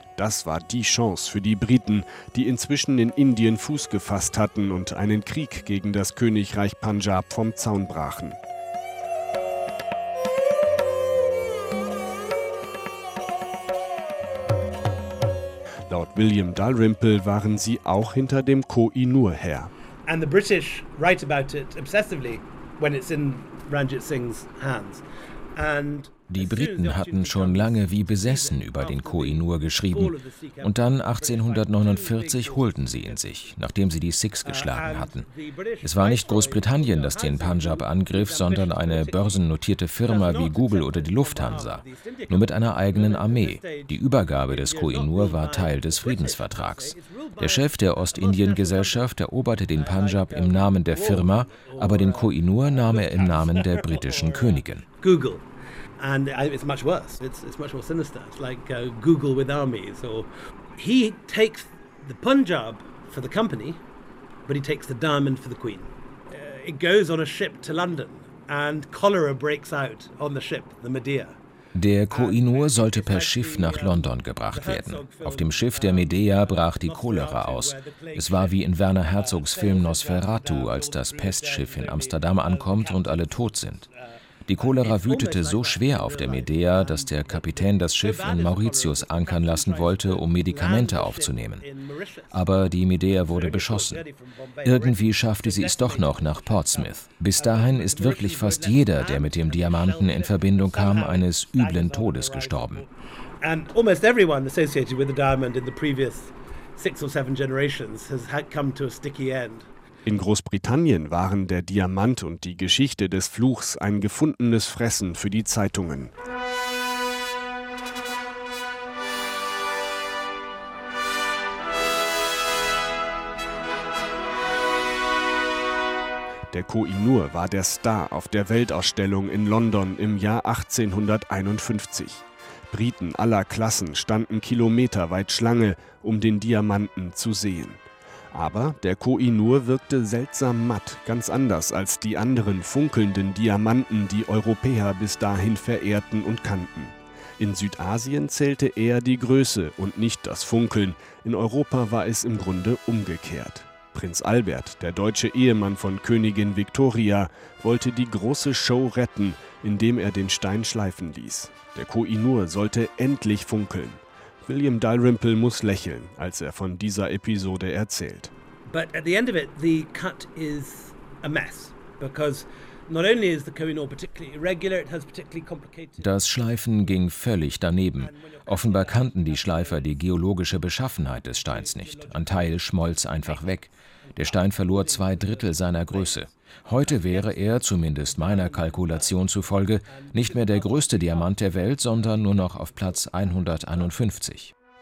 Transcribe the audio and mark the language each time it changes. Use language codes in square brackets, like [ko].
[de] Das war die Chance für die Briten, die inzwischen in Indien Fuß gefasst hatten und einen Krieg gegen das Königreich Punjab vom Zaun brachen. Laut William Dalrymple waren sie auch hinter dem Koh-i-Noor her. [en] And the British write about it obsessively when it's in Ranjit Singh's hands. [de] Die Briten hatten schon lange wie besessen über den Koh-i-Noor geschrieben. Und dann 1849 holten sie ihn sich, nachdem sie die Sikhs geschlagen hatten. Es war nicht Großbritannien, das den Punjab angriff, sondern eine börsennotierte Firma wie Google oder die Lufthansa. Nur mit einer eigenen Armee. Die Übergabe des Koh-i-Noor war Teil des Friedensvertrags. Der Chef der Ostindien-Gesellschaft eroberte den Punjab im Namen der Firma, aber den Koh-i-Noor nahm er im Namen der britischen Königin. [en] Google. And it's much worse. It's much more sinister. It's like Google with armies. Or he takes the Punjab for the company, but he takes the diamond for the queen. It goes on a ship to London, and cholera breaks out on the ship, the Medea. [de] Der Koh-i-Noor sollte per Schiff nach London gebracht werden. Auf dem Schiff der Medea brach die Cholera aus. Es war wie in Werner Herzogs Film Nosferatu, als das Pestschiff in Amsterdam ankommt und alle tot sind. Die Cholera wütete so schwer auf der Medea, dass der Kapitän das Schiff in Mauritius ankern lassen wollte, um Medikamente aufzunehmen. Aber die Medea wurde beschossen. Irgendwie schaffte sie es doch noch nach Portsmouth. Bis dahin ist wirklich fast jeder, der mit dem Diamanten in Verbindung kam, eines üblen Todes gestorben. [en] And almost everyone associated with the diamond in the previous 6 or 7 generations has come to a sticky end. [de] In Großbritannien waren der Diamant und die Geschichte des Fluchs ein gefundenes Fressen für die Zeitungen. Der Koh-i-Noor war der Star auf der Weltausstellung in London im Jahr 1851. Briten aller Klassen standen kilometerweit Schlange, um den Diamanten zu sehen. Aber der Koh-i-Noor wirkte seltsam matt, ganz anders als die anderen funkelnden Diamanten, die Europäer bis dahin verehrten und kannten. In Südasien zählte eher die Größe und nicht das Funkeln, in Europa war es im Grunde umgekehrt. Prinz Albert, der deutsche Ehemann von Königin Victoria, wollte die große Show retten, indem er den Stein schleifen ließ. Der Koh-i-Noor sollte endlich funkeln. William Dalrymple muss lächeln, als er von dieser Episode erzählt. [en] But at the end of it, the cut is a mess, because not only is the Koh-i-Noor particularly irregular, it has particularly complicated. [de] Das Schleifen ging völlig daneben. Offenbar kannten die Schleifer die geologische Beschaffenheit des Steins nicht. Ein Teil schmolz einfach weg. Der Stein verlor 2/3 seiner Größe. Heute wäre er, zumindest meiner Kalkulation zufolge, nicht mehr der größte Diamant der Welt, sondern nur noch auf Platz 151.